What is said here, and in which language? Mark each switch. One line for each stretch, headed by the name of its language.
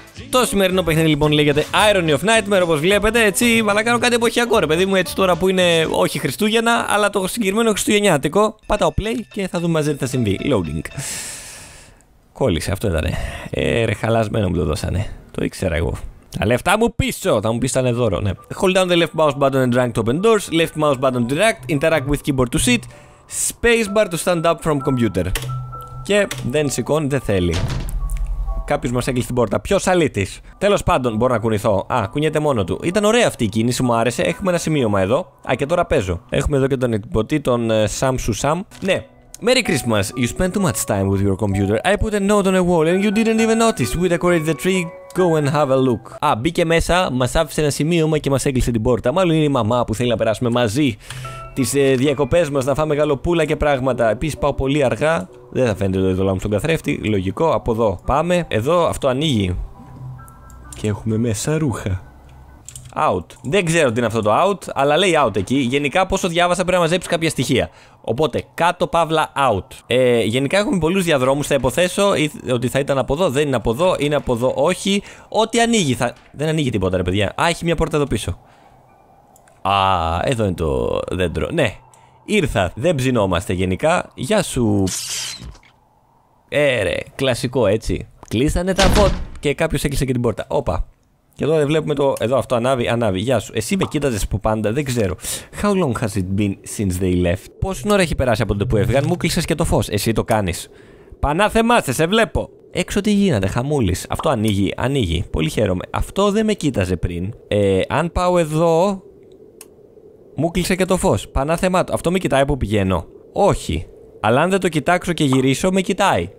Greek: Το σημερινό παιχνίδι λοιπόν λέγεται Irony of Nightmare, όπως βλέπετε, έτσι, αλλά κάνω κάτι εποχιακό ρε παιδί μου, έτσι τώρα που είναι όχι Χριστούγεννα, αλλά το συγκεκριμένο χριστουγεννιάτικο. Πατάω play και θα δούμε μαζί τι θα συμβεί. Loading. Κόλλησε, αυτό ήτανε. Ρε χαλασμένο μου το δώσανε. Το ήξερα εγώ. Τα λεφτά μου πίσω, θα μου πεις ήταν δώρο, ναι.
English: Hold down the left mouse button and drag to open doors, left mouse button to react, interact with keyboard to sit, spacebar to stand up from computer.
Greek: Και δεν σηκώνει, δεν θέλει. Κάποιος μας έκλεισε την πόρτα. Ποιος αλήτης? Τέλος πάντων, μπορώ να κουνηθώ. Α, κουνιέται μόνο του. Ήταν ωραία αυτή η κίνηση, μου άρεσε. Έχουμε ένα σημείωμα εδώ. Α, και τώρα παίζω. Έχουμε εδώ και τον εκπομπτή, τον Sam Susam.
English: Ναι. Merry Christmas. You spent too much time with your computer. I put a note on a wall and you didn't even notice. We decorated the tree. Go and have a look.
Greek: Α, μπήκε μέσα, μας άφησε ένα σημείωμα και μας έκλεισε την πόρτα. Μάλλον είναι η μαμά που θέλει να περάσουμε μαζί τις διακοπές μας, να φάμε γαλοπούλα και πράγματα. Επίσης πάω πολύ αργά. Δεν θα φαίνεται το δολάμι στον καθρέφτη. Λογικό, από εδώ πάμε. Εδώ αυτό ανοίγει. Και έχουμε μέσα ρούχα. Out. Δεν ξέρω τι είναι αυτό το out, αλλά λέει out εκεί. Γενικά, πόσο διάβασα πρέπει να μαζέψει κάποια στοιχεία. Οπότε, κάτω παύλα out. Γενικά, έχουμε πολλούς διαδρόμους. Θα υποθέσω ότι θα ήταν από εδώ, δεν είναι από εδώ, είναι από εδώ, όχι. Ό,τι ανοίγει θα. Δεν ανοίγει τίποτα, ρε παιδιά. Α, έχει μια πόρτα εδώ πίσω. Α, εδώ είναι το δέντρο. Ναι, ήρθα. Δεν ψινόμαστε γενικά. Γεια σου. Ρε, κλασικό έτσι. Κλείσανε τα πότ και κάποιος έκλεισε και την πόρτα. Όπα. Και εδώ δεν βλέπουμε το. Εδώ αυτό ανάβει, ανάβει. Γεια σου. Εσύ με κοίταζες που πάντα, δεν ξέρω.
English: How long has it been since they left?
Greek: Πόση ώρα έχει περάσει από τότε που έφυγαν, μου κλείσες και το φως. Εσύ το κάνεις. Πανάθεμά σε, σε βλέπω. Έξω τι γίνεται, χαμούλης. Αυτό ανοίγει, ανοίγει. Πολύ χαίρομαι. Αυτό δεν με κοίταζε πριν. Αν πάω εδώ. Μου κλείσε και το φως. Πανάθεμά του. Αυτό με κοιτάει που πηγαίνω. Όχι. Αλλά αν δεν το κοιτάξω και γυρίσω, με κοιτάει.